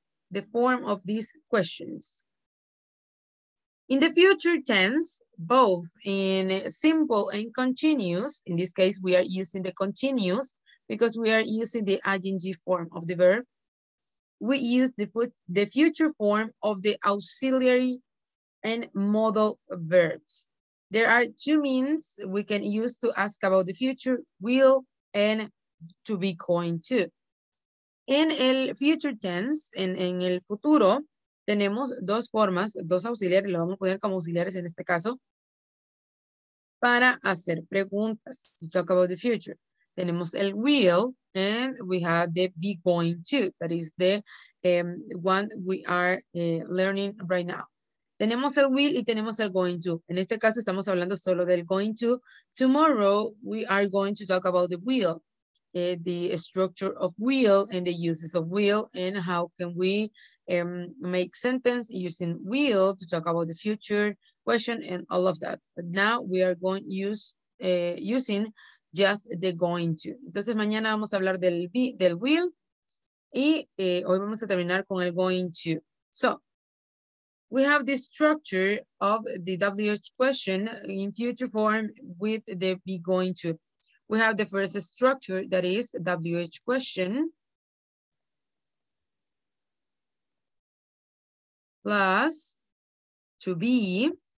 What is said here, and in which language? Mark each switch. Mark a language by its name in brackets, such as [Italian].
[English] The form of these questions. In the future tense, both in simple and continuous, in this case, we are using the continuous because we are using the ing form of the verb. We use the future form of the auxiliary and modal verbs. There are two means we can use to ask about the future, will and to be going to. [Spanish] In el future tense, en el futuro, tenemos dos formas, dos auxiliares, lo vamos a poner como auxiliares en este caso, para hacer preguntas. [English] To talk about the future. [Spanish] Tenemos el will, [English] and we have the be going to, that is the one we are learning right now. [Spanish] Tenemos el will y tenemos el going to. En este caso estamos hablando solo del going to. [English] Tomorrow we are going to talk about the will. The structure of will and the uses of will and how can we make sentence using will to talk about the future question and all of that. But now we are going using just the going to. [Spanish] Entonces mañana vamos a hablar del will y hoy vamos a terminar con el going to. [English] So we have the structure of the WH question in future form with the be going to. We have the first structure, that is WH question plus to be.